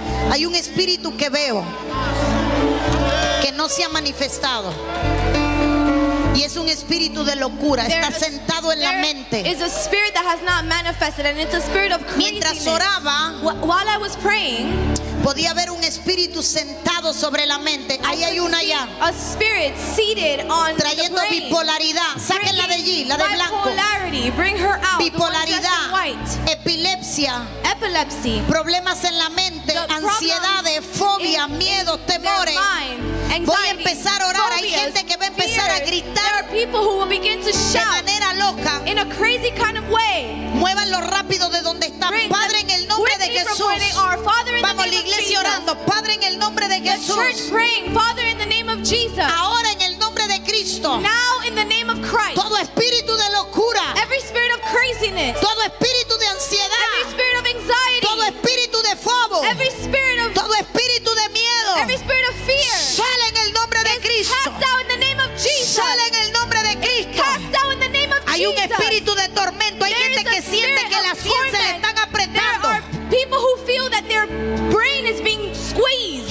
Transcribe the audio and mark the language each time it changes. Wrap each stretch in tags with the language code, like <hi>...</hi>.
<es>Hay un espíritu que veo que no se ha manifestado. Y es un espíritu de locura.</es> <en>There,</en> <es>está sentado en la mente.</es> <en>Is a spirit that has not manifested and it's a spirit of craziness.</en> <es>Mientras oraba,</es> <en>while I was praying,</en> <es>podía ver un espíritu sentado sobre la mente. Ahí hay una ya.</es> <en>A spirit seated on</en> <es>trayendo</es> <en>the brain.</en> <es>Bipolaridad. Sáquenla de allí, la de blanco.</es> <en>Bipolarity. Bring her out.</en> <es>Bipolaridad.</es> <en>The one dressed in white.</en> <es>Epilepsia.</es> <en>Epilepsy.</en> <es>Problemas en la mente.</es> <en>The</en> <es>ansiedades, fobia, miedo, temores.</es> <en>Anxiety,</en> <es>voy a empezar a orar. hay gente que va a empezar</es> <en>fears,</en> <es>a gritar.</es> <en>There are people who will begin to shout</en> <es>de manera loca.</es> <en>In a crazy kind of way.</en> <es>Muévanlo rápido de donde está. Padre, en el nombre de Jesús. Vamos, la iglesia orando. Padre, en el nombre de Jesús.</es> <en>The church praying, Father, in the name of Jesus.</en> <es>Ahora, en el nombre de Cristo.</es> <en>Now, in the name of Christ.</en> <es>Todo espíritu de locura.</es> <en>Every spirit of craziness.</en> <es>Todo espíritu de ansiedad.</es> <en>Every spirit of anxiety.</en> <es>Todo espíritu de fobo.</es> <en>Every spirit of</en> <es>todo espíritu de miedo.</es> <en>Every spirit of fear.</en> <es>Sale en el nombre de Cristo.</es> <en>Cast out in the name of Jesus.</en> <es>Sale en el nombre de Cristo.</es> <en>Cast out in the name of Jesus.</en> <es>Hay un espíritu de tormento. Hay gente que siente que las sienes se le están apretando.</es> <en>There are people who feel that their brain is being squeezed.</en>